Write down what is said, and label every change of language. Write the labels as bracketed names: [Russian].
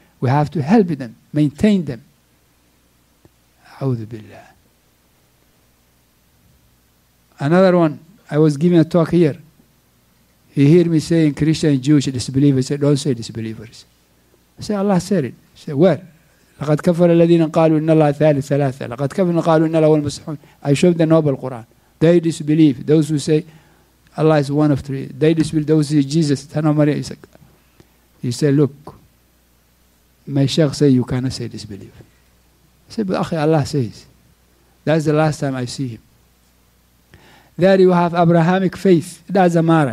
[English] We have to help them, maintain them. A'udhu billah. Another one, I was giving a talk here. He heard me saying Christian, Jewish, disbelievers. He said, don't say disbelievers. I said, Allah said it. He said, where? [Arabic] لقد كفر الذين قالوا إن الله ثالث ثلاثة لقد كفر قالوا إن الله هو المسيحون. [English] I showed the noble Quran. They disbelieve. Those who say Allah is one of three. They disbelieve. Those who say Jesus. He said, look, my sheikh say you cannot say disbelieve. I said, but أخي, Allah says. That's the last time I see him. There you have Abrahamic faith. It doesn't matter.